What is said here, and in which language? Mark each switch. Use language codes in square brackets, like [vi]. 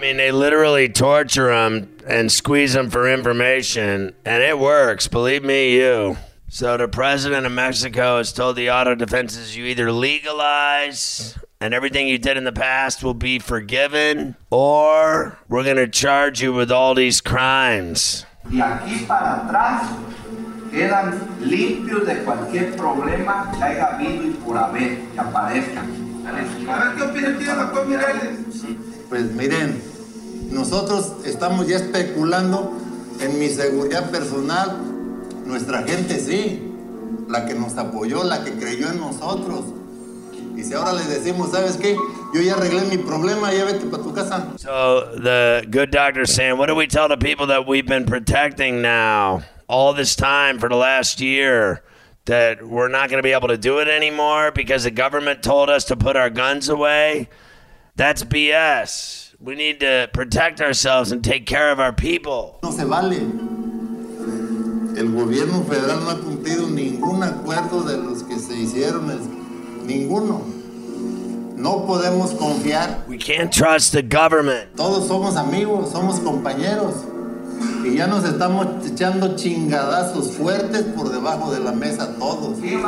[en] literally torture them and squeeze them for information, and it works, believe me, you. So the president of Mexico has told the auto defenses you either legalize and everything you did in the past will be forgiven, or we're going to charge you with all these crimes. [es] De aquí para atrás quedan limpios de cualquier problema que haya habido y por haber que aparezcan. A ver, ¿qué opinión tiene doctor Mireles? Pues miren, nosotros estamos ya especulando en mi seguridad personal. Nuestra gente sí, la que nos apoyó, la que creyó en nosotros. Y si ahora les decimos, ¿sabes qué? Yo ya arreglé mi problema, ya vete para tu casa. [en] So the good doctor saying, what do we tell the people that we've been protecting now all this time for the last year? That we're not going to be able to do it anymore because the government told us to put our guns away. That's BS. We need to protect ourselves and take care of our people. [es] No se vale. El gobierno federal no ha cumplido ningún acuerdo de los que se hicieron. Ninguno. No podemos confiar. [en] We can't trust the government. [es] Todos somos amigos, somos compañeros. Y ya nos estamos echando chingadazos fuertes por debajo de la mesa todos.